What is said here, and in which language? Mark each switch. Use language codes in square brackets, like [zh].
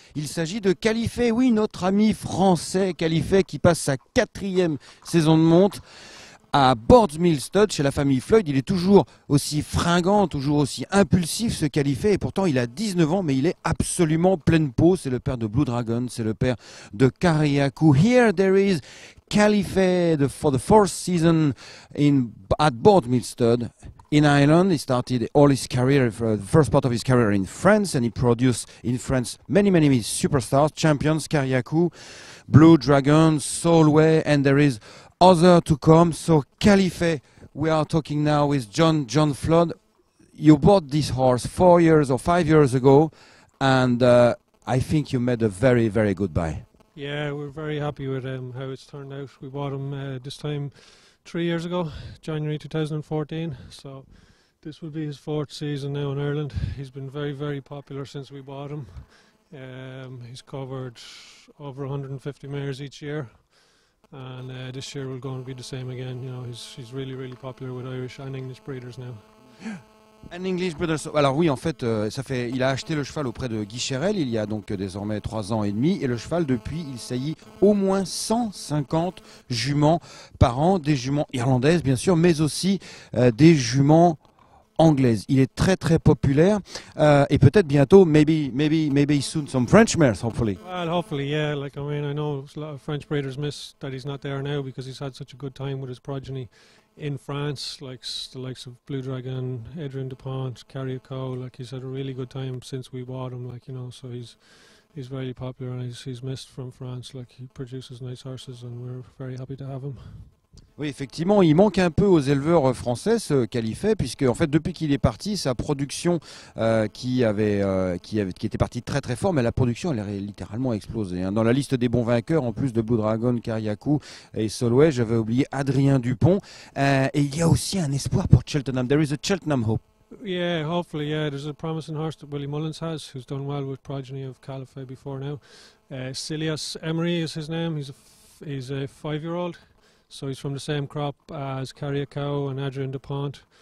[fr] Il s'agit de Califet, oui, notre ami français Califet, qui passe sa quatrième saison de monte à Boardsmill Stud chez la famille Floyd. Il est toujours aussi fringant, toujours aussi impulsif, ce Califet, et pourtant il a 19 ans, mais il est absolument pleine peau. C'est le père de Blue Dragon, c'est le père de Kariakou. [en] Here there is Califet for the fourth season at Boardsmill Stud. In Ireland, he started all his career, for the first part of his career in France, and he produced in France many, many superstars, champions, Kariakou, Blue Dragon, Solway, and there is other to come. So Califet, we are talking now with John Flood. You bought this horse 4 years or 5 years ago, and I think you made a very, very good buy. Yeah, we're very happy with how it's turned out. We bought him this time 3 years ago, January 2014, so this will be his fourth season now in Ireland. He's been very, very popular since we bought him. He's covered over 150 mares each year, and this year we're going to be the same again. You know, he's really, really popular with Irish and English breeders now. An English breeder. [fr] Alors oui, en fait, ça fait. Il a acheté le cheval auprès de Guy Cherel il y a donc désormais 3 ans et demi, et le cheval depuis, il saillit au moins 150 juments par an, des juments irlandaises bien sûr, mais aussi des juments anglaises. Il est très très populaire, et peut-être bientôt, [en] maybe soon, some French mares, hopefully. Well, hopefully, yeah. Like, I mean, I know a lot of French breeders miss that he's not there now because he's had such a good time with his progeny. In France, like the likes of Blue Dragon, Adrien Dupont, Kariakou, like, he's had a really good time since we bought him, like, you know, so he's very popular, and he's missed from France. Like, he produces nice horses, and we're very happy to have him. [fr] Oui, effectivement, il manque un peu aux éleveurs français, ce Califet, puisque en fait, depuis qu'il est parti, sa production qui était partie très très fort, mais la production, elle a littéralement explosé. Hein. Dans la liste des bons vainqueurs, en plus de Blue Dragon, Kariakou et Solway, j'avais oublié Adrien Dupont. Et il y a aussi un espoir pour Cheltenham. [en] There is a Cheltenham hope. Yeah, hopefully, yeah. There's a promising horse that Willie Mullins has, who's done well with progeny of Califet before now. Cilius Emery is his name. He's a five-year-old. So he's from the same crop as Kariakou and Adrien Dupont.